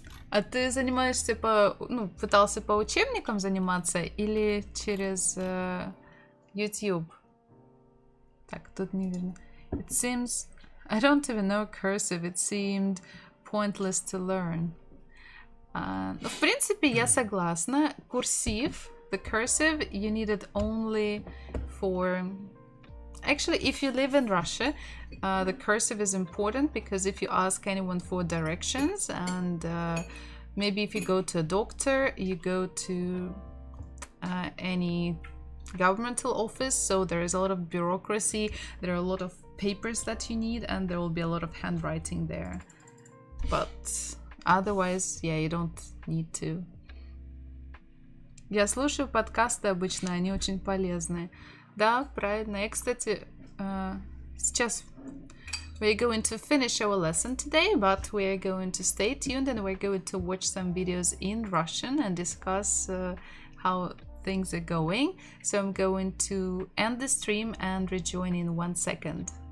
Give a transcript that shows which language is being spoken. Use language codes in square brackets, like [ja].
[ru] А ты занимаешься по... Ну, пытался по учебникам заниматься или через YouTube? Так, тут не видно. [en] It seems... I don't even know cursive. It seemed pointless to learn. [ru] Ну, в принципе, я согласна. [en] Курсив, the cursive, you need it only for... Actually, if you live in Russia, the cursive is important because if you ask anyone for directions and maybe if you go to a doctor, you go to any governmental office, so there is a lot of bureaucracy, there are a lot of papers that you need, and there will be a lot of handwriting there. But otherwise, yeah, you don't need to. [ru] Я слушаю подкасты обычно, они очень полезны. Да, правильно. Я, кстати, сейчас... [en] We're going to finish our lesson today, but we're going to stay tuned and we're going to watch some videos in Russian and discuss how things are going. So I'm going to end the stream and rejoin in 1 second.